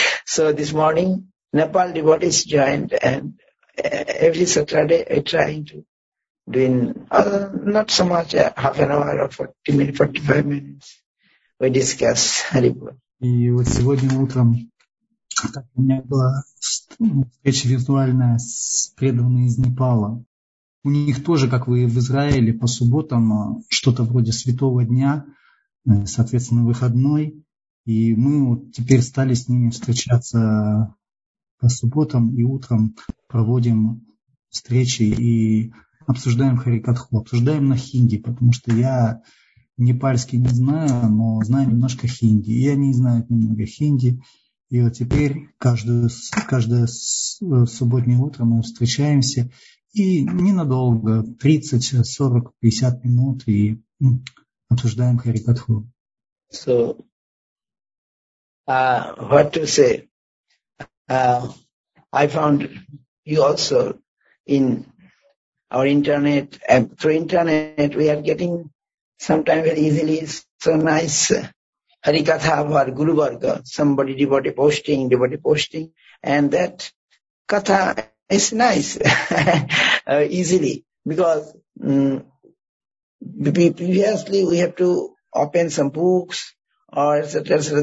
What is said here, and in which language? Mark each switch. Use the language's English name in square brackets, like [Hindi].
[English] So this morning Nepal devotees joined and every Saturday we trying to doing not so much half an hour or 45 minutes. We discuss Haribol. [Russian] И вот сегодня утром так, у меня была встреча виртуальная с преданными из Непала. У них тоже, как вы в Израиле, по субботам что-то вроде святого дня, соответственно, выходной. И мы вот теперь стали с ними встречаться по субботам и утром проводим встречи и обсуждаем харикатху, обсуждаем на хинди, потому что я непальский не знаю, но знаю немножко хинди. И они знают немного хинди. И вот теперь каждое субботнее утро мы встречаемся. И ненадолго, 30, 40, 50 минут, и обсуждаем харикатху. [English] So, what to say? I found you also in our internet, and through internet we are getting sometimes very easily so nice harikatha of our Guru Varga, somebody devotee posting, and that katha is nice easily because previously we have to open some books or etc.